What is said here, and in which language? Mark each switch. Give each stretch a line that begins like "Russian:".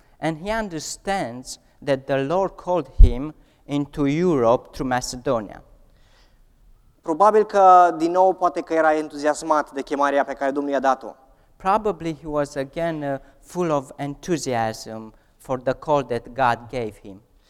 English: And he understands that the Lord called him into Europe through Macedonia.
Romanian: Probabil că, din nou, poate că era entuziasmat de chemarea pe care Domnul i-a dat-o.
English: Probably he was again full of enthusiasm for the call that God gave him.